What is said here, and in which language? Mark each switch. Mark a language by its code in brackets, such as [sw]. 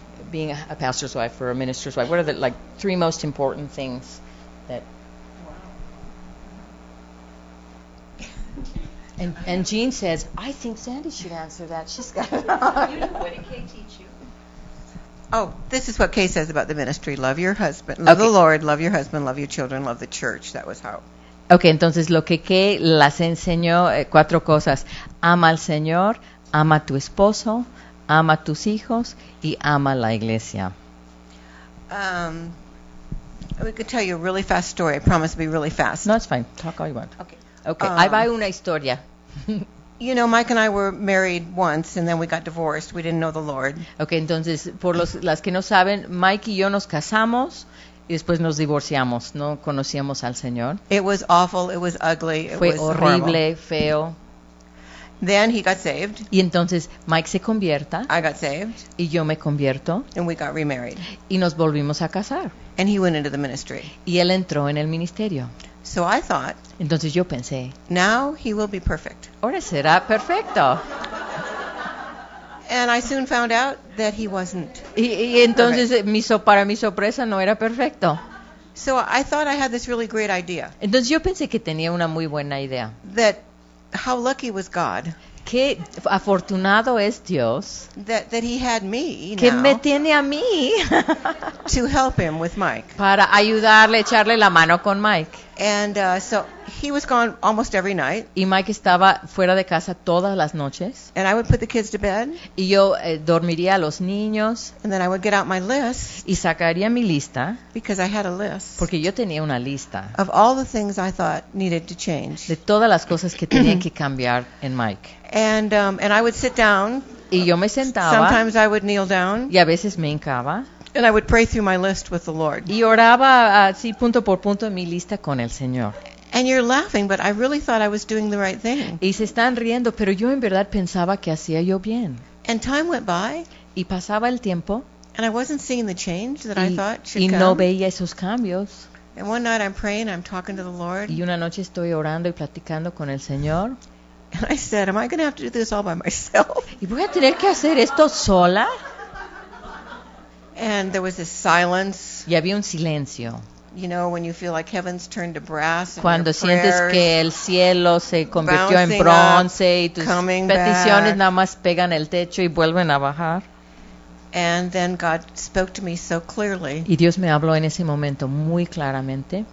[en] Being a pastor's wife or a minister's wife, what are the like three most important things that? And Jean says, I think Sandy should answer that. She's got it. What did Kay teach you? Oh, this is what Kay says about the ministry. Love your husband. Love the Lord. Love your husband. Love your children. Love the church. That was how. [es] Okay, entonces lo que Kay las enseñó, cuatro cosas. Ama al Señor. Ama a tu esposo. Ama a tus hijos. Y ama la iglesia. [en] We could tell you a really fast story. I promise to be really fast. No, it's fine. Talk all you want. Okay. [es] Okay. Ahí va una historia. [en] You know, Mike and I were married once, and then we got divorced. We didn't know the Lord. [es] Okay, entonces, por las que no saben, Mike y yo nos casamos, y después nos divorciamos. No conocíamos al Señor. [en] It was awful. It was ugly. [es] Fue [en] it was horrible, horrible, [es] feo. [en] Then he got saved. [es] Y entonces, Mike se convierta. [en] I got saved. [es] Y yo me convierto. [en] And we got remarried. [es] Y nos volvimos a casar. [en] And he went into the ministry. [es] Y él entró en el ministerio. [en] So I thought, [es] entonces yo pensé, [en] now he will be perfect. [es] Ahora será perfecto. [en] And I soon found out that he wasn't. [es] Y entonces para mi sorpresa no era perfecto. [en] So I thought I had this really great idea. [es] Entonces yo pensé que tenía una muy buena idea. [en] That how lucky was God. [es] Qué afortunado es Dios. [en] That he had me now. [es] Que me tiene a mí. [en] To help him with Mike. [es] Para ayudarle, echarle la mano con Mike. [en] And so he was gone almost every night. [es] Y Mike estaba fuera de casa todas las noches. [en] And I would put the kids to bed. [es] Y yo dormiría a los niños. [en] And then I would get out my list. [es] Y sacaría mi lista. [en] Because I had a list. [es] Porque yo tenía una lista. [en] Of all the things I thought needed to change. [es] De todas las cosas que tenía que cambiar en Mike. [en] And I would sit down. [es] Y yo me sentaba. [en] Sometimes I would kneel down. [es] Y a veces me hincaba. [en] And I would pray through my list with the Lord. [es] Y oraba así punto por punto en mi lista con el Señor. [en] And you're laughing, but I really thought I was doing the right thing. [es] Y se están riendo, pero yo en verdad pensaba que hacía yo bien. [en] And time went by. [es] Y pasaba el tiempo. [en] And I wasn't seeing the change that I thought should come. [es] Y no veía esos cambios. [en] And one night I'm praying, I'm talking to the Lord. [es] Y una noche estoy orando y platicando con el Señor. [en] And I said, am I going to have to do this all by myself? [es] ¿Y voy a tener que hacer esto sola? [en] And there was this silence. [es] Y había un silencio. [en] You know, when you feel like heaven's turned to brass. [es] Cuando [en] your [es] sientes [en] prayers, [es] que el cielo se convirtió en bronce y tus peticiones [en] back. [es] Nada más pegan el techo y vuelven a bajar. [en] And then God spoke to me so clearly. [es] Y Dios me habló en ese momento muy claramente.